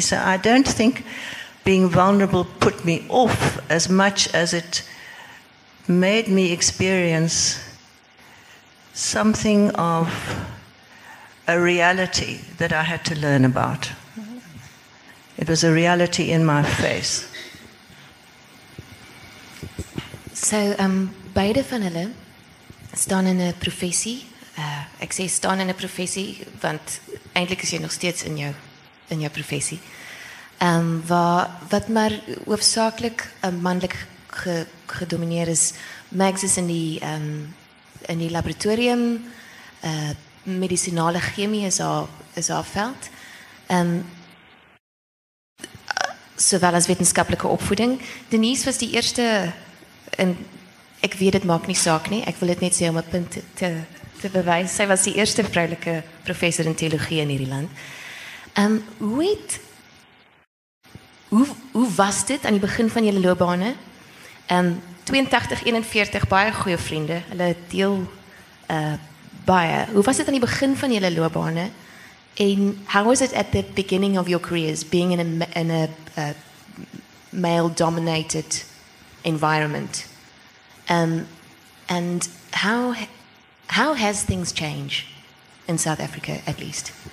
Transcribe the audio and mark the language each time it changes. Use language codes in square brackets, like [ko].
[en] So I don't think being vulnerable put me off as much as it made me experience something of a reality that I had to learn about. It was a reality in my face. [af] So, beide van hulle staan in 'n professie. Ek sê staan in 'n professie, want eintlik is jy nog steeds in jou professie. Wat maar hoofsaaklik 'n manlik gedomineer is. Max is in die laboratorium, medisinale chemie is haar veld, sowel as wetenskaplike opvoeding. Denise was die eerste, en ek weet dit maak nie saak nie, ek wil dit net sê om 'n punt te bewys, sy was die eerste vroulike professor in teologie in hierdie land. Hoe het hoe was dit aan die begin van julle loopbane? 82-41, baie goeie vriende, hulle deel baie. Hoe was dit aan die begin van julle loopbane? [en] En how was it at the beginning of your careers, being in a male-dominated environment? And how has things changed in South Africa, at least?